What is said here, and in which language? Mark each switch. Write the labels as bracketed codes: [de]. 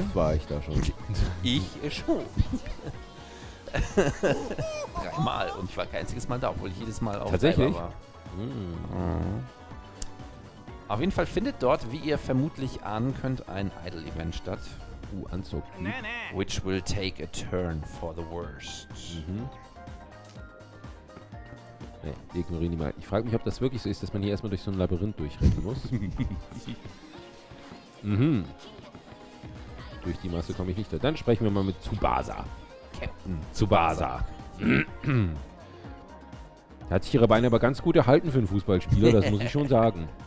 [de] So oft war ich da schon. Ich schon. Dreimal. Und ich war kein einziges Mal da, obwohl ich jedes Mal auch tatsächlich war. Auf jeden Fall findet dort, wie ihr vermutlich ahnen könnt, ein Idol-Event statt. Anzug. Nee, nee. [en] Which will take a turn for the worst. Mhm. [de] Nee, ignorieren die mal. Ich frage mich, ob das wirklich so ist, dass man hier erstmal durch so ein Labyrinth durchrennen muss. Mhm. Durch die Masse komme ich nicht da. Dann sprechen wir mal mit Tsubasa. Captain Tsubasa. Da hat sich ihre Beine aber ganz gut erhalten für einen Fußballspieler, das muss ich schon sagen.